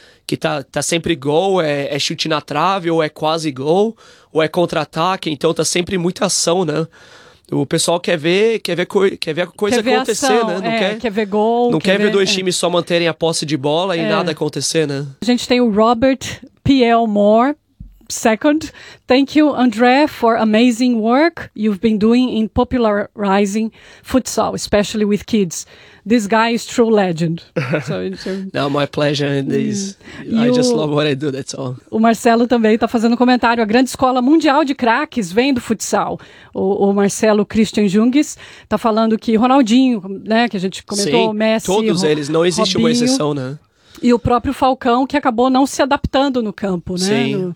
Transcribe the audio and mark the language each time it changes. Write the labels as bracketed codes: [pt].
[pt] que tá sempre gol, é chute na trave, ou é quase gol, ou é contra-ataque, então tá sempre muita ação, né? O pessoal quer ver a coisa acontecer, ação, né? Quer ver gol. Não quer ver dois times só manterem a posse de bola e nada acontecer, né? A gente tem o Robert P.L. Moore. [en] Second, thank you, André, for amazing work you've been doing in popularizing futsal, especially with kids. This guy is true legend. No, my pleasure. I just love what I do, that's all. [pt] O Marcelo também está fazendo comentário. A grande escola mundial de craques vem do futsal. O Marcelo Christian Junges está falando que Ronaldinho, né, que a gente comentou, sim, o Messi, todos eles, não existe Robinho, uma exceção, né? E o próprio Falcão, que acabou não se adaptando no campo, né?